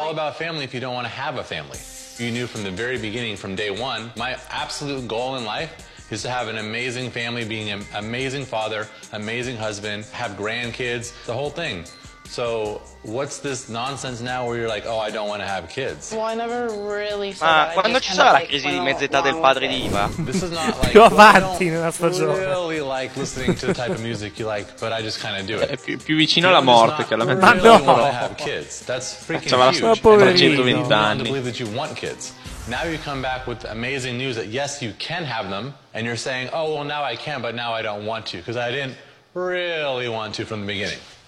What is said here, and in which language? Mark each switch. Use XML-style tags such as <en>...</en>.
<en>All about family if you don't want to have a family? You knew from the very beginning, from day one, my absolute goal in life is to have an amazing family, being an amazing father, amazing husband, have grandkids, the whole thing. So what's this nonsense now where you're like, oh, I don't want to have kids? Well, I never really</en> <it>ma quando ci sarà la crisi di mezza età del padre di Iva? Più avanti nella stagione.</it> <en>Really like listening to the type of music you like, but I just kind of do it.</en> <it>Più vicino alla morte che alla mezza età. Ma no. Facciamo la storia per 120 anni.</it> <en>Believe that you want kids. Now you come back with amazing news that yes, you can have them, and you're saying, oh, well, now I can, but now I don't want to because I didn't really want to from the beginning.</en>